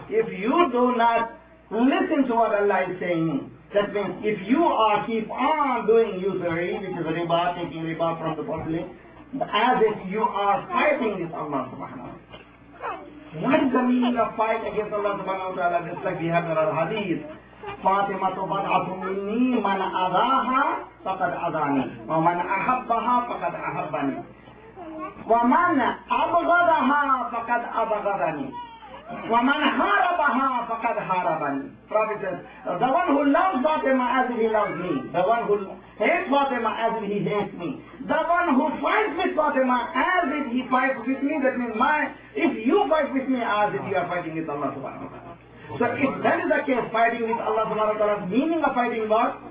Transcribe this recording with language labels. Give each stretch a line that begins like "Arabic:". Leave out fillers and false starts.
English: If you do not listen to what Allah is saying, that means if you are keep on doing usury, which is riba, taking riba from the public, as if you are fighting with Allah subhanahu wa ta'ala. What is the meaning of fight against Allah subhanahu wa ta'ala? Just like we have in our hadith,
Arabic: فاطمة بدعت مني من أذاها فقد أذاني ومن أحبها فقد أحبني ومن أبغضها فقد أبغضني ومن حاربها فقد حاربني.
English: Prophet says, the one who loves Fatima as if he loves me, the one who hates Fatima as if he hates me, the one who fights with Fatima as if he fights with me, that means if you fight with me as if you are fighting with Allah subhanahu wa ta'ala. So if that is the case, fighting with Allah subhanahu wa ta'ala, meaning of fighting what?